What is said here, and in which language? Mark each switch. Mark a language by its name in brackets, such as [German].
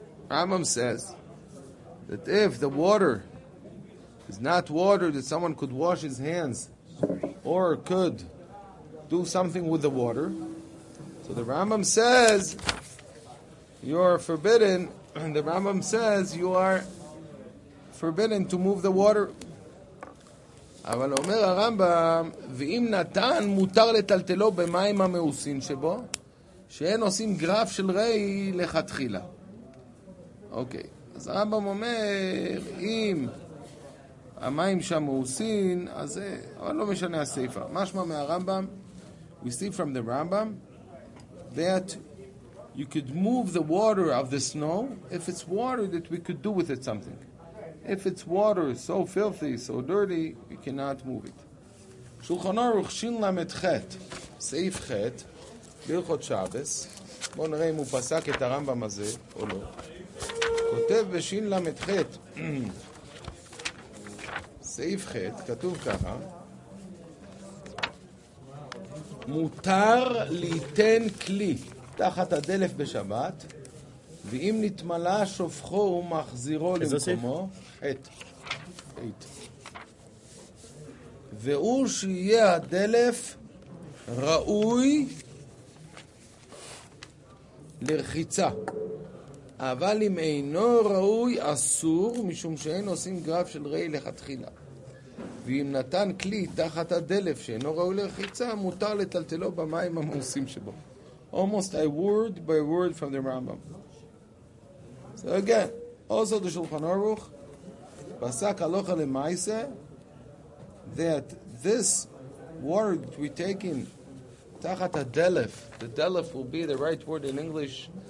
[English] Rambam says that if the water is not water that someone could wash his hands or could do something with the water, so the Rambam says you are forbidden, and the Rambam says you are forbidden to move the water. [Hebrew] אבל אומר הרמב״ם, ואם נתן מותר לטלטלו במים המאוסים שבו, שאין עושים גרף של ראי לכתחילה. אוקיי, אז הרמב״ם אומר, אם המים שם מאוסים, אז אבל לא משנה הסיפה. משמע מהרמב״ם, [English] we see from the Rambam, that you could move the water of the snow, if it's water that we could do with it something. If it's water so filthy, so dirty, we cannot move it. [Hebrew] Shulchan Aruch Shin Lamed Chet, Seif Chet, Bilchot Shabbos, בוא נראה אם הוא פסק את הרמב״ם הזה, או לא. כותב בשין למד חט, סעיף חט, כתוב ככה, מותר ליתן כלי תחת הדלף בשבת, ואם נתמלה שופכו ומחזירו למקומו, חט. והוא שיהיה הדלף ראוי לרחיצה. אבל אם אינו ראוי, אסור, משום שאין עושים גרף של ראי לכתחילה. ואם נתן כלי תחת הדלף שאינו ראוי לרחיצה, מותר לטלטלו במים המאוסים שבו. [English] Almost a word by word from the Rambam. So again, also the Shulchan Aruch, [Hebrew] פסק הלוכה למעשה, [English] that this word we take in, [Hebrew] Tachat ha-delef. [English] The delef will be the right word in English.